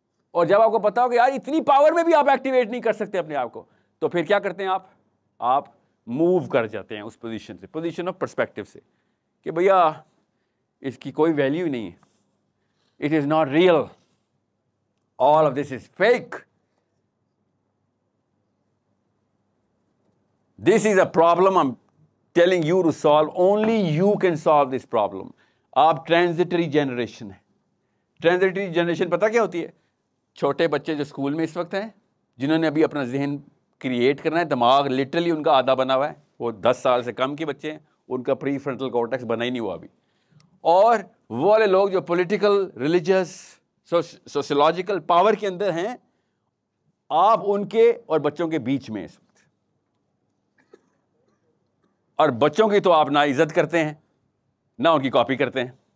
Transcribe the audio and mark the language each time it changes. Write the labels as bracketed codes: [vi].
[ur] اور جب آپ کو پتا ہو کہ یار اتنی پاور میں بھی آپ ایکٹیویٹ نہیں کر سکتے اپنے آپ کو, تو پھر کیا کرتے ہیں آپ؟ آپ موو کر جاتے ہیں اس پوزیشن سے, پوزیشن آف پرسپیکٹو سے, کہ بھیا اس کی کوئی ویلیو نہیں ہے, [en] It is not real, all of this is fake, this is a problem telling you to solve. Only you can solve this problem. [ur] آپ transitory generation ہے. Transitory generation پتا کیا ہوتی ہے؟ چھوٹے بچے جو اسکول میں اس وقت ہیں, جنہوں نے ابھی اپنا ذہن کریٹ کرنا ہے, دماغ لٹرلی ان کا آدھا بنا ہوا ہے, وہ 10 سال سے کم کے بچے ہیں, ان کا پری فرنٹل کارٹیکس بنا ہی نہیں ہوا ابھی. اور وہ والے لوگ جو پولیٹیکل, ریلیجیس, سوشیولوجیکل پاور کے اندر ہیں, آپ ان کے اور بچوں کے بیچ میں اس, اور بچوں کی تو آپ نہ عزت کرتے ہیں نہ ان کی کاپی کرتے ہیں.